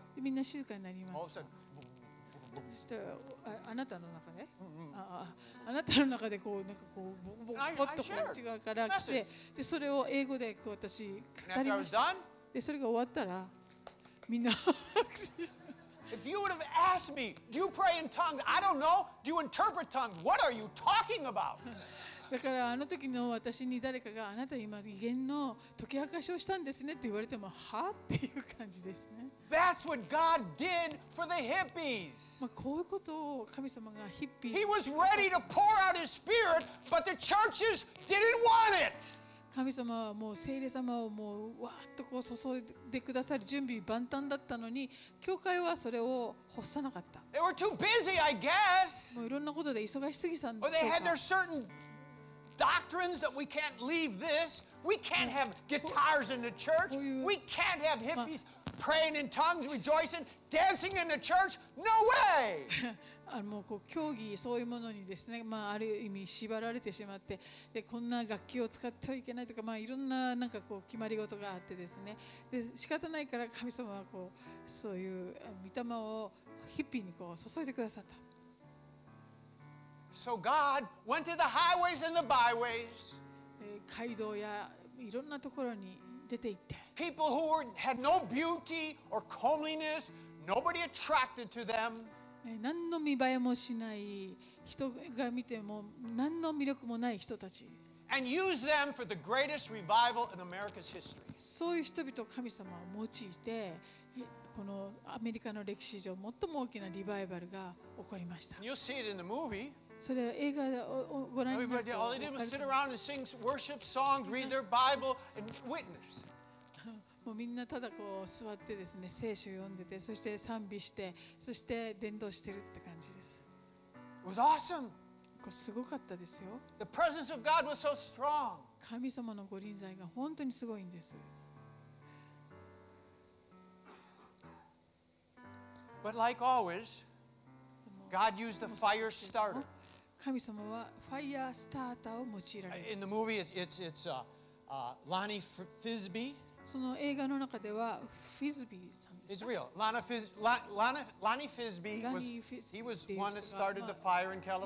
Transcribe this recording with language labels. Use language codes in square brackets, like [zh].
[ja] でみんな静かになりました。そしてあなたの中で、あなたの中でこうなんかこうボコボコボッとこっち側から来て、でそれを英語でこう私語りました。でそれが終わったらみんな拍手。 [en] If you would have asked me, do you pray in tongues? I don't know. Do you interpret tongues? What are you talking about? [ja] だからあの時の私に誰かがあなた今異言の解き明かしをしたんですねって言われてもはっていう感じですね。 [en] That's what God did for the hippies. [ja] まあこういうことを神様がヒッピー。 [en] He was ready to pour out His Spirit, but the churches didn't want it. [ja] 神様はもう聖霊様をもうわーっとこう注いでくださる準備万端だったのに、教会はそれを欲さなかった。 [en] They were too busy, I guess. [ja] もういろんなことで忙しすぎたんでしょうか。 [en] Or they had their certain doctrines that we can't leave this. We can't have guitars in the church. We can't have hippies praying in tongues, rejoicing, dancing in the church. No way. [ja] あのもうこう競技そういうものにですね、まあ、ある意味縛られてしまって、でこんな楽器を使ってはいけないとか、まあ、いろん な, なんかこう決まり事があってですね、で仕方ないから神様はこうそういう御霊をヒッピーにこう注いでくださった。 [en] So God went to the highways and the byways. [ja] 街道やいろんなところに出て行って。 [en] People who had no beauty or comeliness, nobody attracted to them. [ja] 何の見栄えもしない人が見ても何の魅力もない人たち。 [en] And use them for the greatest revival in America's history. [ja] そういう人々を神様は用いて、このアメリカの歴史上最も大きなリバイバルが起こりました。 [en] You'll see it in the movie. [ja] それは映画でご覧になると。 [en] All they did was sit around and sing worship songs, read their Bible, and witness. [ja] もうみんなただこう座ってですね、聖書を読んでて、そして賛美して、そして伝道してるって感じです。 [en] It was awesome. [ja] こうすごかったですよ。 [en] The presence of God was so strong. [ja] 神様のご臨在が本当にすごいんです。 [en] But like always, God used the fire starter. [ja] 神様はファイアースターターを用いられる。 [en] In the movie, it's Lonnie Frisbee. [ja] その映画の中ではフィズビーさんですか。 [en] It's real. Lonnie Frisbee was one that started the fire in California.